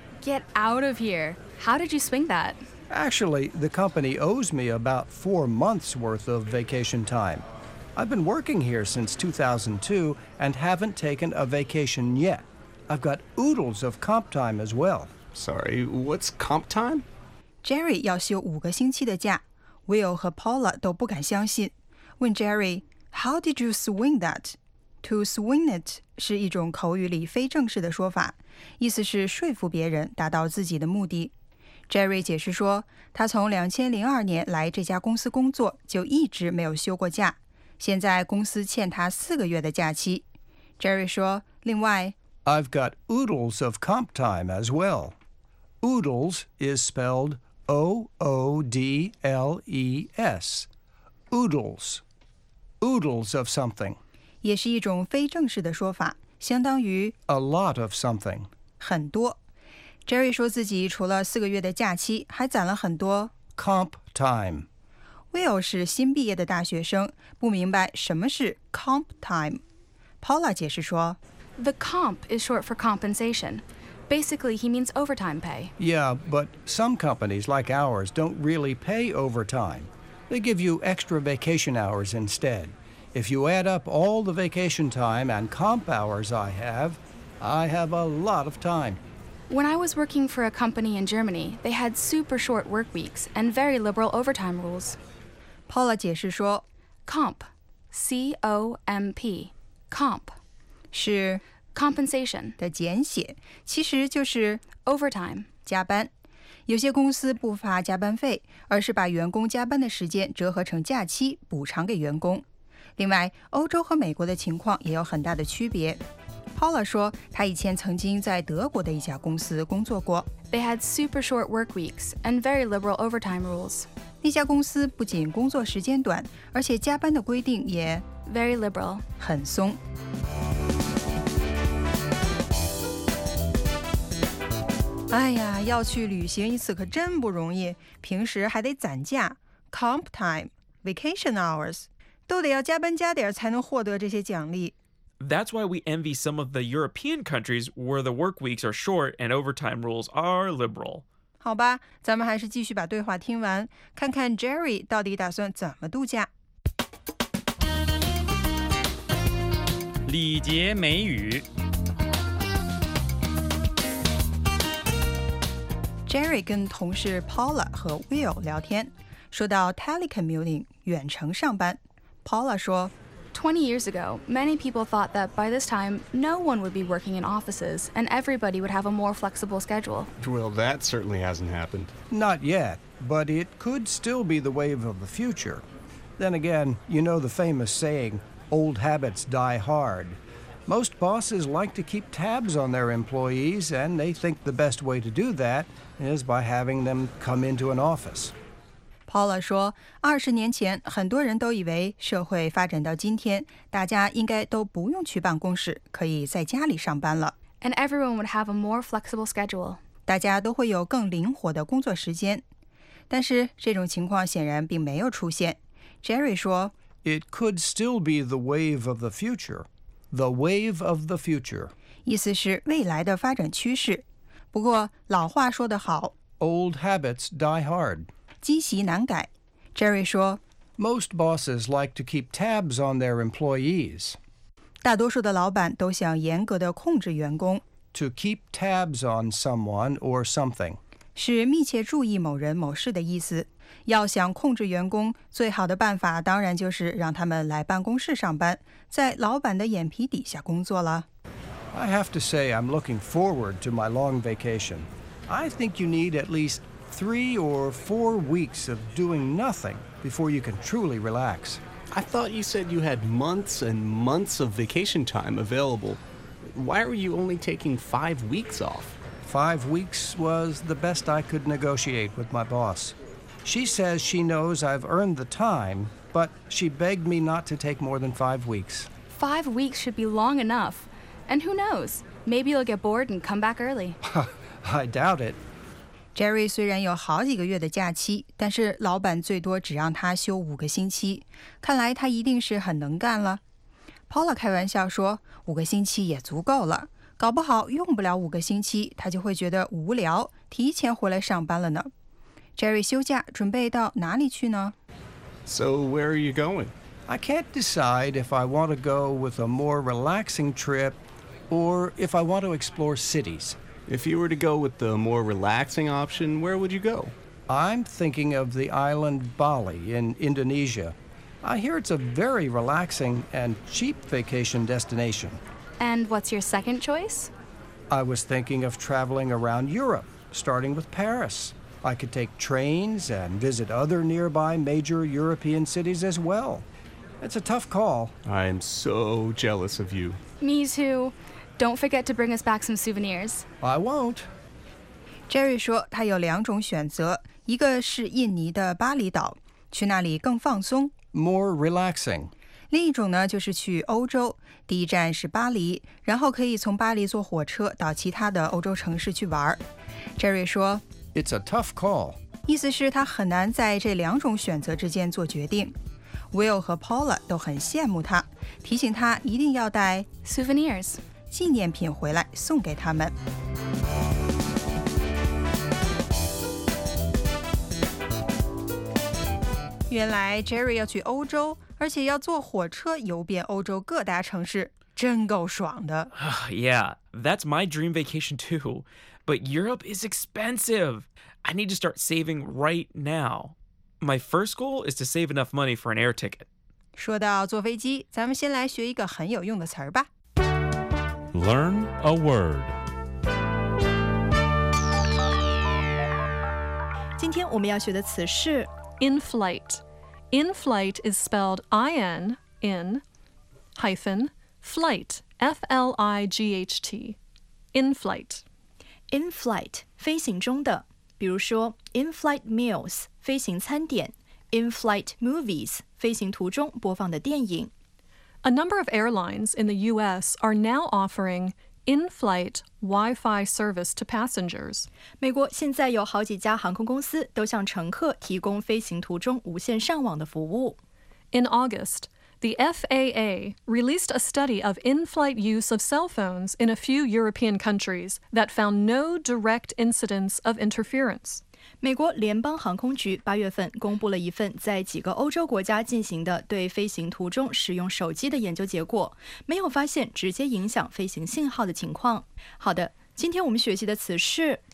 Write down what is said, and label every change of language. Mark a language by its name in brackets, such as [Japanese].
[English] Get out of here. How did you swing that? Actually, the company owes me about 4 months' worth of vacation time. I've been working here since 2002 and haven't taken a vacation yet. I've got oodles of comp time as well. Sorry, what's comp time? [Chinese] Jerry 要休五个星期的假。 Will 和 Paula 都不敢相信，问 Jerry, [English] How did you swing that? To swing it [Chinese] 是一种口语里非正式的说法，意思是说服别人达到自己的目的。 Jerry 解释说，他从2002年来这家公司工作，就一直没有休过假，现在公司欠他四个月的假期。 Jerry 说，另外 [English] I've got oodles of comp time as well. Oodles is spelled O-O-D-L-E-S. Oodles. Oodles of something. [Chinese] 也是一种非正式的说法，相当于 [English] A lot of something. [Chinese] 很多。 Jerry 说自己除了四个月的假期，还攒了很多 [English] Comp time. [Chinese] Will 是新毕业的大学生，不明白什么是 comp time. Paula 解释说 [English] The comp is short for compensation. Basically, he means overtime pay. Yeah, but some companies, like ours, don't really pay overtime. They give you extra vacation hours instead. If you add up all the vacation time and comp hours I have a lot of time. When I was working for a company in Germany, they had super short work weeks and very liberal overtime rules. [Chinese] Paula 解释说 [English] comp, C-O-M-P, comp. [Chinese] 是 [English] compensation [Chinese] 的简写，其实就是 [English] overtime [Chinese] 加班。有些公司不发加班费，而是把员工加班的时间折合成假期补偿给员工。另外，欧洲和美国的情况也有很大的区别。 Paula 说，他以前曾经在德国的一家公司工作过。 [English] They had super short work weeks and very liberal overtime rules. [Chinese] 那家公司不仅工作时间短，而且加班的规定也 [English] very liberal [Chinese] 很松。哎呀，要去旅行一次可真不容易，平时还得攒假 comp time, vacation hours, 都得要加班加点才能获得这些奖励。 [English] That's why we envy some of the European countries where the work weeks are short and overtime rules are liberal. [Chinese] 好吧，咱们还是继续把对话听完，看看 Jerry 到底打算怎么度假。礼节美语 Jerry 跟同事 Paula 和 Will 聊天，说到 telecommuting 远程上班。 Paula 说 [English] ，20 years ago, many people thought that by this time, no one would be working in offices and everybody would have a more flexible schedule. Well, that certainly hasn't happened. Not yet, but it could still be the wave of the future. Then again, you know the famous saying, "Old habits die hard." Most bosses like to keep tabs on their employees, and they think the best way to do that. Is by having them come into an office. [Chinese] Paula 说，二十年前很多人都以为社会发展到今天，大家应该都不用去办公室，可以在家里上班了。 [English] And everyone would have a more flexible schedule. [Chinese] 大家都会有更灵活的工作时间。但是这种情况显然并没有出现。 Jerry 说 [English] ，It could still be the wave of the future. The wave of the future. [Chinese] 意思是未来的发展趋势。不过老话说得好 [English] Old habits die hard [Chinese] 积习难改 Jerry 说 [English] Most bosses like to keep tabs on their employees [Chinese] 大多数的老板都想严格地控制员工 [English] To keep tabs on someone or something [Chinese] 是密切注意某人某事的意思要想控制员工最好的办法当然就是让他们来办公室上班在老板的眼皮底下工作了 [English] I have to say I'm looking forward to my long vacation. I think you need at least 3 or 4 weeks of doing nothing before you can truly relax. I thought you said you had months and months of vacation time available. Why are you only taking 5 weeks off? 5 weeks was the best I could negotiate with my boss. She says she knows I've earned the time, but she begged me not to take more than 5 weeks. 5 weeks should be long enough. And who knows? Maybe you'll get bored and come back early. I doubt it. [Chinese] Jerry 虽然有好几个月的假期，但是老板最多只让他休5个星期。看来他一定是很能干了。Paula 开玩笑说，5个星期也足够了。搞不好用不了5个星期，他就会觉得无聊，提前回来上班了呢。 Jerry 休假准备到哪里去呢 [English] ？So where are you going? I can't decide if I want to go with a more relaxing trip or if I want to explore cities. If you were to go with the more relaxing option, where would you go? I'm thinking of the island Bali in Indonesia. I hear it's a very relaxing and cheap vacation destination. And what's your second choice? I was thinking of traveling around Europe, starting with Paris. I could take trains and visit other nearby major European cities as well. It's a tough call. I am so jealous of you. Me too. Don't forget to bring us back some souvenirs. I won't. [Chinese] Jerry 说他有两种选择，一个是印尼的巴厘岛，去那里更放松。 [English] More relaxing. [Chinese] 另一种呢，就是去欧洲，第一站是巴黎，然后可以从巴黎坐火车到其他的欧洲城市去玩。 Jerry 说 [English] It's a tough call. [Chinese] 意思是他很难在这两种选择之间做决定。 Will 和 Paula 都很羡慕他，提醒他一定要带 [English] souvenirs [Chinese] 纪念品回来送给他们。原来 Jerry 要去欧洲，而且要坐火车游遍欧洲各大城市，真够爽的。 [English] Yeah, that's my dream vacation too. But Europe is expensive. I need to start saving right now. My first goal is to save enough money for an air ticket. [Chinese] 说到坐飞机，咱们先来学一个很有用的词儿吧。 [English] Learn a word. [Chinese] 今天我们要学的词是 [English] In-flight. In-flight is spelled I-N, in, hyphen, flight, F-L-I-G-H-T. In-flight. [Chinese] In-flight, 飞行中的。比如说 in-flight meals, 飞行餐点。 In-flight movies, 飞行途中播放的电影。 [English] A number of airlines in the U.S. are now offering in-flight Wi-Fi service to passengers. [Chinese] 美国现在有好几家航空公司都向乘客提供飞行途中无线上网的服务。 [English] In August, the FAA released a study of in-flight use of cell phones in a few European countries that found no direct incidents of interference. [Chinese] 美国联邦航空局八月份公布了一份在几个欧洲国家进行的对飞行途中使用手机的研究结果，没有发现直接影响飞行信号的情况。好的，今天我们学习的词是